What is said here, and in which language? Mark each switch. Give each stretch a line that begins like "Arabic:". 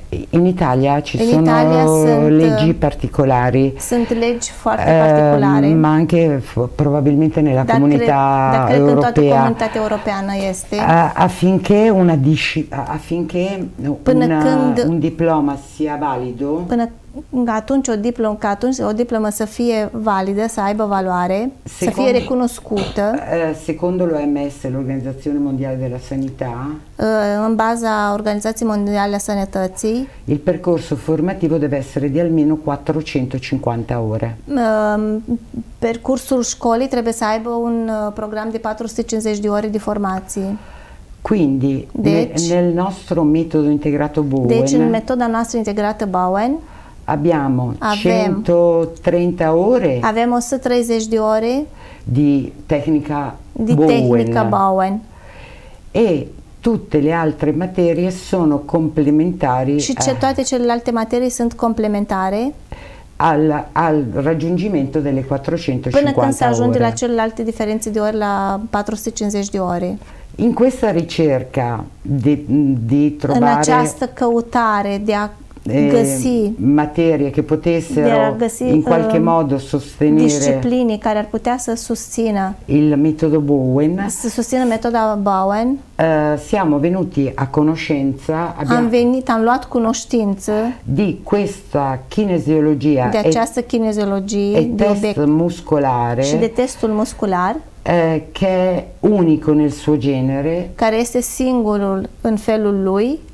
Italian: In Italia ci in sono Italia leggi particolari.
Romanian: Sunt legi foarte particolari.
Italian: Ma anche probabilmente nella
Romanian: dar
Italian: comunità europea.
Romanian: Cred că în toată comunitatea europeană este.
Italian: Affinché una affinché un diploma sia valido.
Romanian: Până atunci o diplomă să fie validă, să aibă valoare, să fie recunoscută.
Italian: Secondo l'OMS, l'Organizzazione Mondiale della Sanità,
Romanian: în baza Organizației Mondiale a Sănătății,
Italian: il percorso formativo deve essere di almeno 450 ore.
Romanian: Percursul școlii trebuie să aibă un program de 450 de ore de formație.
Italian: Quindi, nel nostro metodo integrato Bowen,
Romanian: deci, în metoda noastră integrată Bowen,
Italian: abbiamo 130 ore.
Romanian: Avem 130 de ore
Italian: di tecnica di Bowen. Tecnica Bowen. E tutte le altre materie sono complementari.
Romanian: Și toate celelalte materii sunt complementare
Italian: al raggiungimento delle 450
Romanian: ore. Până când se ajunge la celelalte diferențe de ore la 450 de ore.
Italian: In questa ricerca di trovare
Romanian: în această căutare de a găsi
Italian: materie che potessero
Romanian: găsi,
Italian: in qualche modo sostenere
Romanian: discipline care ar putea să susțină
Italian: il metodo Bowen.
Romanian: Să susțină metoda Bowen.
Italian: Siamo venuti a conoscenza,
Romanian: am luat cunoștință
Italian: di questa kinesiologia
Romanian: de această kinesiologie
Italian: e test muscolare
Romanian: și de testul muscular
Italian: che è unico nel suo genere
Romanian: care este singurul în felul lui.